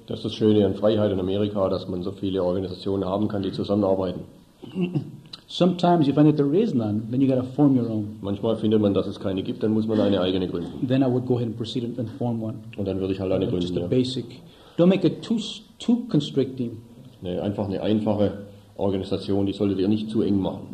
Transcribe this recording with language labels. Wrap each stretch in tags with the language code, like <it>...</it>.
<de>Das ist das Schöne an Freiheit in Amerika, dass man so viele Organisationen haben kann, die zusammenarbeiten.</de> <en>Sometimes you find that there is none, then you got to form your own.</en> <de>Manchmal findet man, dass es keine gibt, dann muss man eine eigene gründen.</de> <en>Then I would go ahead and proceed and form one.</en> <de>Und dann würde ich halt eine gründen.</de> <en>Just a basic. Don't make it too constricting.</en> <de>Nee, einfach eine einfache. Organisation, die solltet ihr nicht zu eng machen.</de>